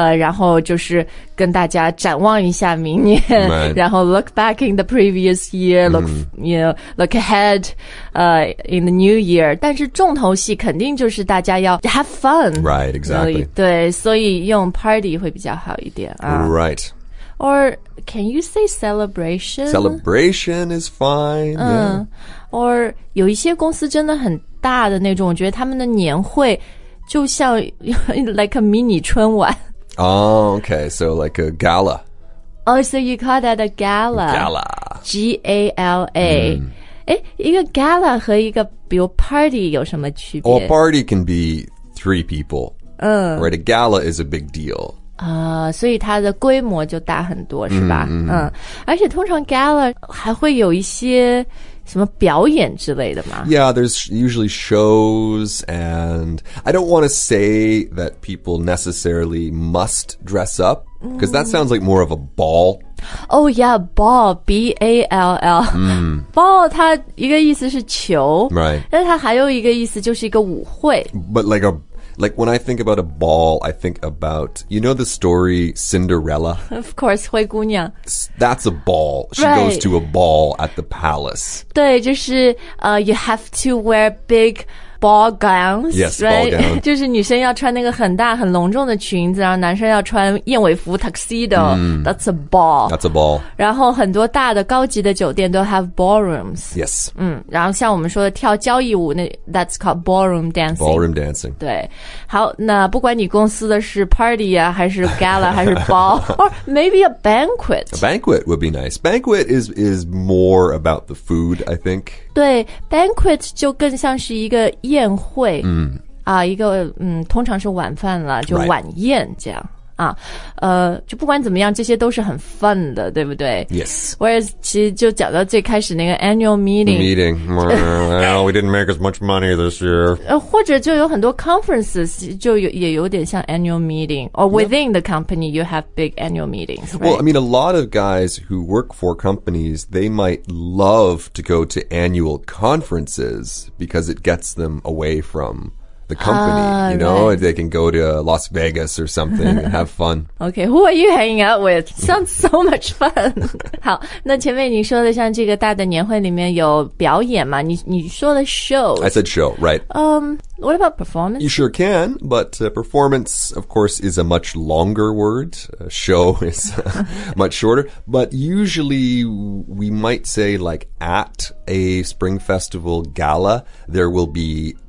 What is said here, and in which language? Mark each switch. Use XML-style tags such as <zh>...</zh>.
<zh>然后就是跟大家展望一下明年、</zh> <en>right.</en> <zh>然后</zh> <en>look back in the previous year, look,、you know, look ahead, in the new year.</en> <zh>但是重头戏肯定就是大家要</zh> <en>have fun. Right, exactly.</en> <zh>对，所以用 party 会比较好一点啊。</zh> <en>Right. Or can you say celebration? Celebration is fine.、Yeah.</en> <zh>Or 有一些公司真的很大的那种，我觉得他们的年会就像</zh> <en>like a mini</en> <zh>春晚。</zh> <en>Oh, okay. So like a gala. Oh, so you call that a gala. Gala.</en> <zh>G-A-L-A.、一个 gala 和一个比如 party 有什么区别？</zh> <en>Well, a party can be three people. Right, a gala is a big deal.</en> <zh>所以它的规模就大很多是吧 而且通常 gala 还会有一些什么表演之类的吗</zh> <en>Yeah, there's usually shows and I don't want to say that people necessarily must dress up because that sounds like more of a ball Oh yeah, ball, B-A-L-L、ball</en> <zh>它一个意思是球</zh> <en>Right</en> <zh>但它还有一个意思就是一个舞会</zh> <en>But like Like, when I think about a ball, I think about, you know the story Cinderella? Of course, 灰姑娘 That's a ball. She、 right. goes to a ball at the palace.</en> <zh>对，就是</zh> <en>you have to wear big ball gowns, yes, right? Ball gown.</en> <zh>就是女生要穿那个很大很隆重的裙子，然后男生要穿燕尾服 tuxedo,、</zh> <en>that's a ball. That's a ball.</en> <zh>然后很多大的高级的酒店都</zh> <en>have ballrooms. Yes.、</en> <zh>然后像我们说的跳交谊舞那</zh> <en>that's called ballroom dancing. Ballroom dancing.</en> <zh>对。好，那不管你公司的是 party 啊，还是 gala, 还是 ball,</zh> <en>or maybe a banquet. A banquet would be nice. Banquet is more about the food, I think.</en> <zh>对 ,banquet 就更像是一个宴会、一个通常是晚饭了就晚宴这样、啊，就不管怎么样，这些都是很 fun 的，对不对</zh> <en>？Yes.</en> <zh>Whereas, 其实就讲到最开始那个 annual meeting.</zh> <en>Meeting. Well, we didn't make as much money this year.</en> <zh>或者就有很多 conferences, 就也有点像 annual meeting.</zh> <en>Or within the company, you have big annual meetings.、Right? Well, I mean, a lot of guys who work for companies, they might love to go to annual conferences because it gets them away from... the company, you know,、 right. they can go to Las Vegas or something and have fun. Okay, who are you hanging out with? Sounds so much fun.</en> <zh>好，那前面你说的像这个大的年会里面有表演嘛？你说的 show.</zh> <en>I said show, right. What about performance? You sure can, but、performance, of course, is a much longer word.、show is much shorter. But usually, we might say like at a Spring Festival gala, there will be...</en>